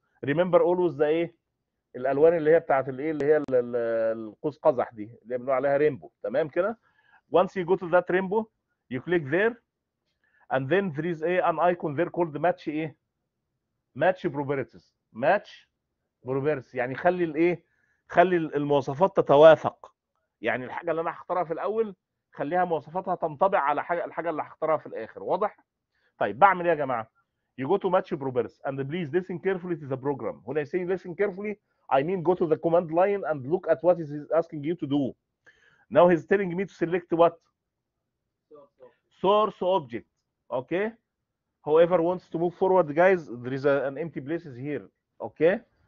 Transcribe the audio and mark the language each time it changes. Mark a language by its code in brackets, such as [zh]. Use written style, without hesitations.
[en] Remember always the [ar] الالوان اللي هي بتاعت الايه اللي هي القوس قزح دي اللي بنقول عليها رينبو، تمام كده؟ [en] Once you go to that rainbow, you click there, and then there is an icon there called the match match properties. [ar] Match properties يعني خلي المواصفات تتوافق. يعني الحاجة اللي أنا هختارها في الأول خليها مواصفاتها تنطبق على الحاجة اللي هختارها في الآخر، واضح؟ طيب بعمل ايه يا جماعه؟ [en] You go to match properties and please listen carefully to the program. When I say listen carefully, I mean go to the command line and look at what he's asking you to do. Now he's telling me to select what? Source object. Okay. Whoever wants to move forward, guys, there is an empty place here. Okay.